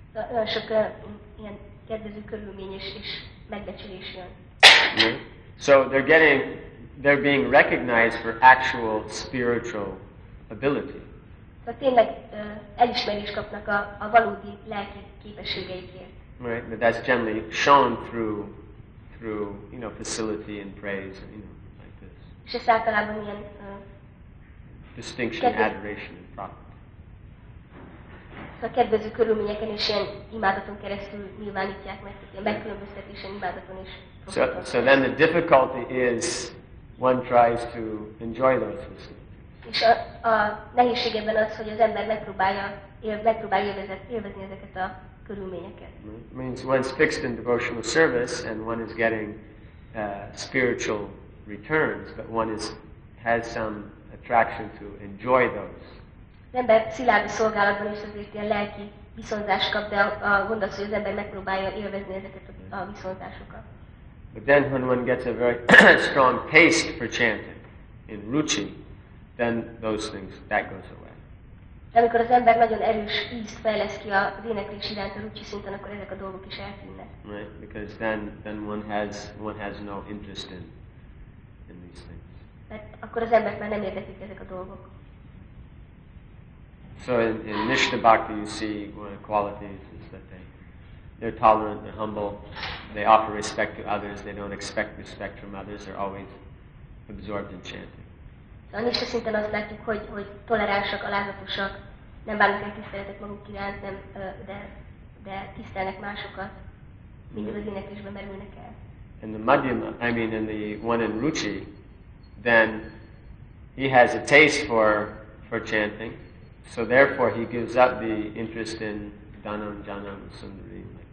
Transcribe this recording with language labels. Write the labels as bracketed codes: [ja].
[hu] Olyan sok ilyen kedvező körülmény és megbecsülés jön. [en] So they're getting, they're being recognized for actual spiritual ability. [hu] De tényleg elismerést kapnak a valódi lelki képességeikért. [en] Right, but that's generally shown through you know, facility and praise, you know, like this. [hu] És ez általában ilyen [en] distinction, [hu] kedvező, [en] adoration, and profit. [hu] Szóval kedvező körülményeken és ilyen imádaton keresztül nyilvánítják meg, ilyen megkülönböztetésen, imádaton is. [en] So then the difficulty is one tries to enjoy those facilities. [hu] És a nehézség ebben az, hogy az ember megpróbálja élvezni ezeket a körülményeket. [en] It means one's fixed in devotional service and one is getting spiritual returns, but one has some attraction to enjoy those. [hu] Az ember szilárd a szolgálatban is azért ilyen lelki viszonzást kap, de a gond az, hogy az ember megpróbálja élvezni ezeket a viszonzásokat. [en] But then when one gets a very strong taste for chanting in ruchi, then those things, that goes away. [hu] Amikor az ember nagyon erős ízt fejleszt ki az éneklés iránt a ruchi szinten, akkor ezek a dolgok is eltűnnek. [en] Right, because then one has no interest in these things. [hu] Mert akkor az ember már nem érdeklik ezek a dolgok. [en] So in Nishtha Bhakti you see one of the qualities is that they're tolerant, they're humble, they offer respect to others, they don't expect respect from others, they're always absorbed in chanting. [hu] A nishtha szinten azt látjuk, hogy toleránsak, alázatosak, nem válnak el tiszteletet maguk iránt, de tisztelnek másokat, mindig az éneklésbe merülnek el. [en] In the madhyama, I mean in the one in ruchi, then he has a taste for chanting, so therefore he gives up the interest in dhanam, janam, sundari.